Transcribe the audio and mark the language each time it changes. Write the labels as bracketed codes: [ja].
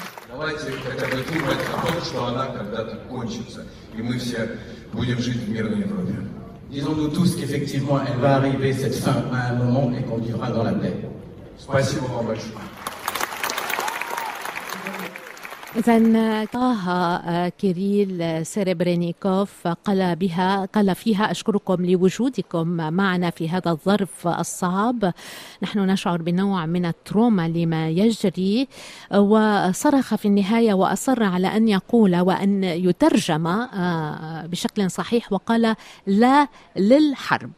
[ru] Давайте хотя бы думать о том, что она когда-то кончится. И мы все будем жить в мирной Европе. [fr] Disons-nous tous qu'effectivement elle va arriver cette fin à un moment et qu'on vivra dans la paix. [ru] Спасибо вам большое. [ar] إذن طه كيريل سيربرينيكوف قال فيها أشكركم لوجودكم معنا في هذا الظرف الصعب، نحن نشعر بنوع من التروما لما يجري، وصرخ في النهاية وأصر على أن يقول وأن يترجم بشكل صحيح، وقال لا للحرب.